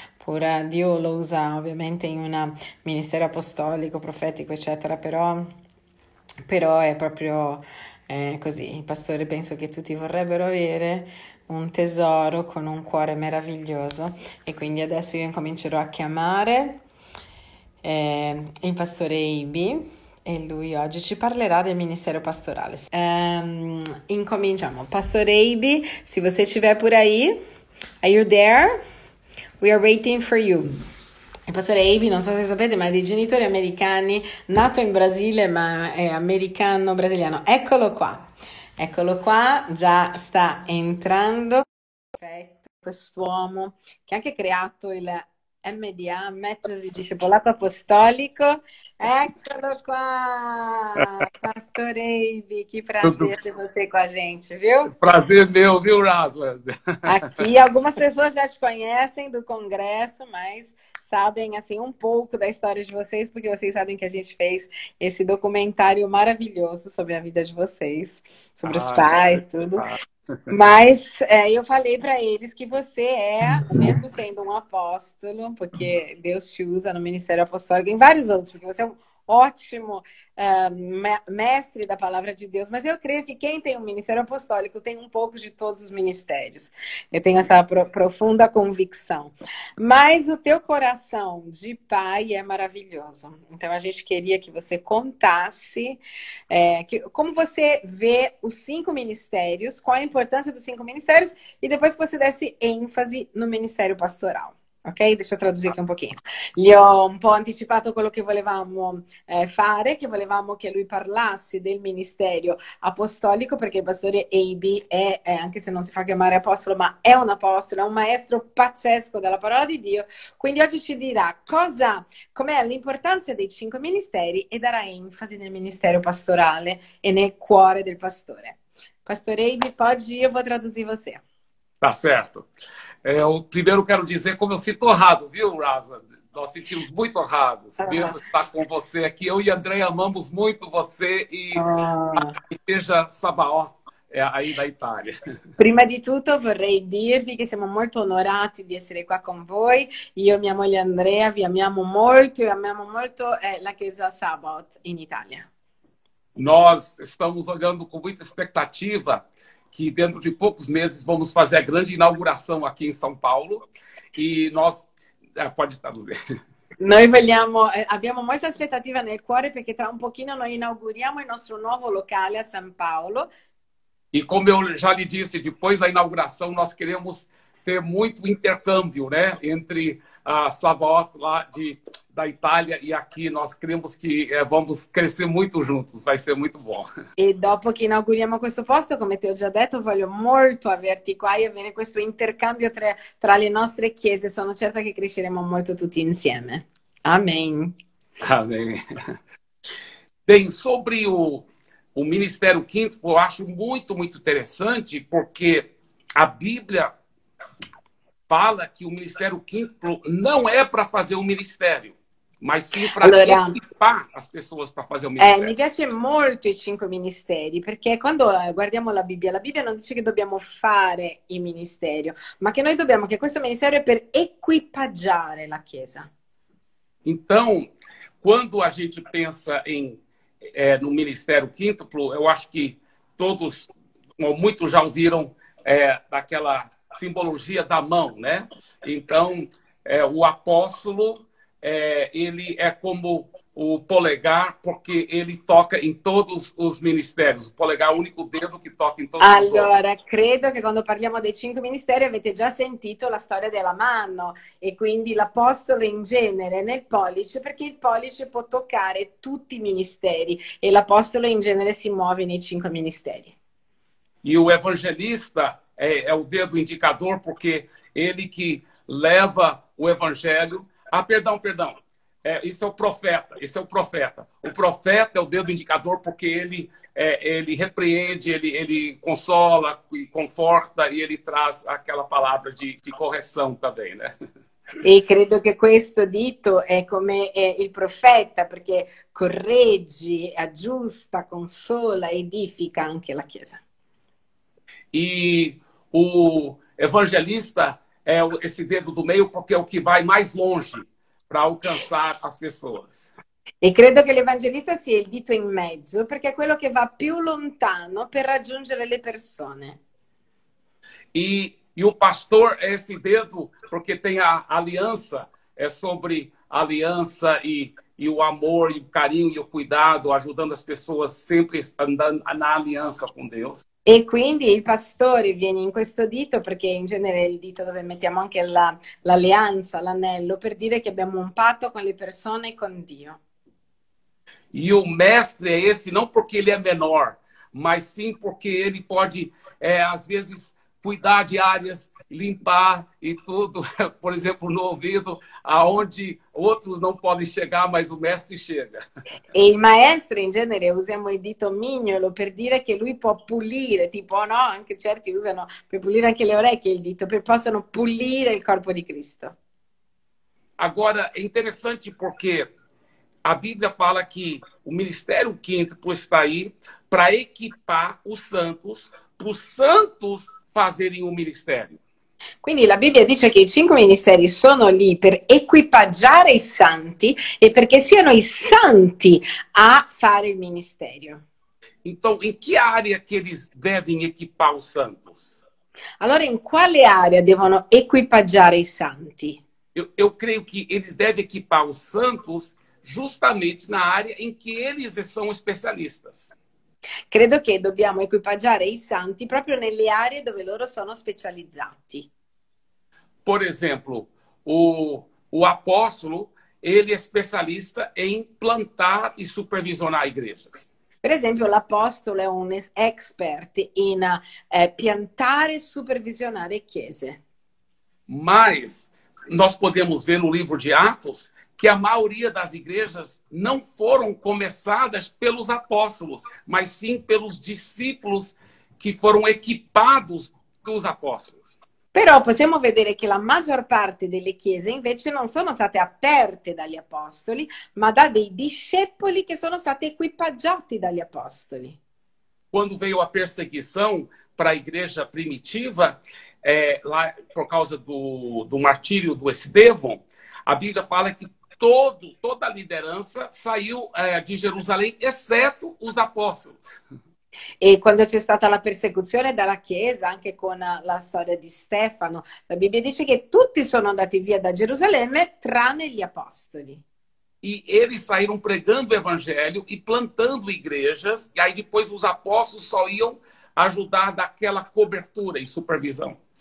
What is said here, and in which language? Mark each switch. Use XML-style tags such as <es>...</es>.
<it>Pure Dio lo usa ovviamente in un ministero apostolico, profetico, eccetera, però è proprio così. Il pastore penso che tutti vorrebbero avere un tesoro con un cuore meraviglioso. E quindi adesso io incomincerò a chiamare il pastore Ibi. E lui oggi ci parlerà del ministero pastorale. Incominciamo.</it> <pt>Pastore Ibi, se você estiver por aí,</pt> <en>are you there? We are waiting for you.</en> <it>Il pastore Ibi, non so se sapete, ma è di genitori americani, nato in Brasile, ma è americano-brasiliano. Eccolo qua. Eccolo qua, già sta entrando. Perfetto, quest'uomo che ha anche creato il MDA, metodo di discepolato apostolico. Eccolo qua,</it> <pt>Pastore Ibi, che prazer ter você com a gente, viu? Prazer meu, viu, Raslan? Aqui algumas pessoas já te conhecem do congresso, mas sabem assim um pouco da história de vocês, porque vocês sabem que a gente fez esse documentário maravilhoso sobre a vida de vocês, sobre os Ah, pais, tudo. Mas eu falei para eles que você é, mesmo sendo um apóstolo, porque Deus te usa no ministério apostólico e em vários outros, porque você é um ótimo mestre da palavra de Deus, mas eu creio que quem tem um ministério apostólico tem um pouco de todos os ministérios. Eu tenho essa profunda convicção. Mas o teu coração de pai é maravilhoso. Então a gente queria que você contasse como você vê os cinco ministérios, qual a importância dos cinco ministérios, e depois que você desse ênfase no ministério pastoral. Ok? Deixa eu traduzir aqui um pouquinho.</pt> <it>Gli ho un po' anticipato quello che volevamo fare, che volevamo che lui parlasse del ministero apostolico, perché il pastore Ibi è, anche se non si fa chiamare apostolo, ma è un apostolo, è un maestro pazzesco della parola di Dio. Quindi oggi ci dirà com'è l'importanza dei cinque ministeri e darà enfasi nel ministero pastorale e nel cuore del pastore. Pastore Ibi, oggi io</it> <pt>vou traduzir você. Tá certo. Eu primeiro quero dizer como eu sinto honrado, viu, Raza? Nós sentimos muito honrados, mesmo estar com você aqui. Eu e André amamos muito você e a Igreja Sabaó, aí da Itália.</pt> <it>Prima di tutto vorrei dirvi che siamo molto onorati di essere qua con voi. Io e mia moglie Andrea vi amiamo molto e amiamo molto la Chiesa Sabaoth in Italia.</it> <pt>Nós estamos olhando com muita expectativa que dentro de poucos meses vamos fazer a grande inauguração aqui em São Paulo. E nós. Ah, pode traduzir.</pt> <it>Noi vogliamo, abbiamo molta aspettativa nel cuore perché tra un pochino noi inauguriamo il nostro nuovo locale a San Paolo.</it> <pt>E como eu já lhe disse, depois da inauguração, nós queremos ter muito intercâmbio, né, entre a Sabaoth lá da Itália e aqui. Nós cremos que vamos crescer muito juntos, vai ser muito bom.</pt> <it>E dopo que inauguriamo questo posto, come ti ho già detto, voglio molto averti qua e avere questo intercambio tra le nostre chiese. Sono certa che cresceremo molto tutti insieme.</it> <pt>Amém. Amém. Bem, sobre o Ministério Quinto, eu acho muito, muito interessante, porque a Bíblia fala que o Ministério Quinto não é para fazer um ministério, mas sim para equipar as pessoas para fazer o ministério.</pt> <it>Mi piace molto i cinque ministeri, perché quando guardiamo la Bibbia non dice che dobbiamo fare il ministerio, ma che noi dobbiamo, che questo ministerio è per equipaggiare la Chiesa.</it> <pt>Então, quando a gente pensa no Ministério Quíntuplo, eu acho que todos, ou muitos já ouviram daquela simbologia da mão, né? Então, o apóstolo, ele é como o polegar, porque ele toca em todos os ministérios. O polegar é o único dedo que toca em todos os ministérios.</pt> <it>Allora, credo que quando parliamo dei cinque ministeri avete già sentito la storia della mano, e quindi l'apostolo in genere nel pollice, perché il pollice può toccare tutti i ministeri, e l'apostolo in genere si muove nei cinque ministeri.</it> <pt>E o evangelista é o dedo indicador, porque ele que leva o evangelho. Ah, perdão. Isso é o profeta. O profeta é o dedo indicador, porque ele repreende, ele consola, conforta, e ele traz aquela palavra de correção também, né?</pt> <it>E credo che questo dito è come il profeta, perché corregge, aggiusta, consola, edifica anche la Chiesa.</it> <pt>E o evangelista é esse dedo do meio, porque é o que vai mais longe para alcançar as pessoas.</pt> <it>E credo que l'evangelista sia il dito in mezzo, perché è quello che va più lontano per raggiungere le persone.</it> <pt>E o pastor é esse dedo, porque tem a aliança, é sobre aliança e o amor, e o carinho, e o cuidado, ajudando as pessoas, sempre andando na aliança com Deus.</pt> <it>E quindi il pastore viene in questo dito, perché in genere è il dito dove mettiamo anche l'alleanza, l'anello, per dire che abbiamo un patto con le persone e con Dio.</it> <pt>E o mestre è esse,</pt> <it>non perché</it> <pt>ele è menor, ma sim perché ele pode, às vezes, cuidar di aree, limpar e tudo, por exemplo, no ouvido, aonde outros não podem chegar, mas o mestre chega.</pt> <it>E il maestro, in genere, usiamo il dito mignolo per dire che lui può pulire, tipo, no, anche certi usano per pulire anche le orecchie il dito, per possano pulire il corpo di Cristo.</it> <pt>Agora, è interessante perché a Bíblia fala que o Ministério Quinto está aí para equipar os santos, para os santos fazerem o ministério.</pt> <it>Quindi la Bibbia dice che i cinque ministeri sono lì per equipaggiare i santi e perché siano i santi a fare il ministerio.</it> <pt>Então, em que área que eles devem equipar os santos?</pt> <it>Allora, in quale area devono equipaggiare i santi?</it> <pt>Eu creio que eles devem equipar os santos justamente na área em que eles são especialistas.</pt> <it>Credo che dobbiamo equipaggiare i santi proprio nelle aree dove loro sono specializzati.</it> <pt>Por exemplo, o apóstolo, ele è specialista em plantar e supervisionar igrejas.</pt> <it>Per esempio, l'apostolo è un expert in piantare e supervisionare chiese.</it> <pt>Mas nós podemos ver no livro de Atos que a maioria das igrejas não foram começadas pelos apóstolos, mas sim pelos discípulos que foram equipados dos apóstolos.</pt> <it>Però possiamo vedere che la maggior parte delle chiese invece non sono state aperte dagli apostoli, ma da dei discepoli che sono stati equipaggiati dagli apostoli.</it> <pt>Quando veio a perseguição para a igreja primitiva, lá, por causa do martírio do Estevão, a Bíblia fala que toda a liderança saiu de Jerusalém, exceto os apóstolos.</pt> <it>E quando c'è stata la persecuzione dalla Chiesa, anche con la storia di Stefano, la Bibbia dice che tutti sono andati via da Gerusalemme, tranne gli apostoli.</it> <pt>E eles saíram pregando o Evangelho e plantando igrejas, e aí depois os apóstolos só iam ajudar daquela cobertura e supervisão.</pt>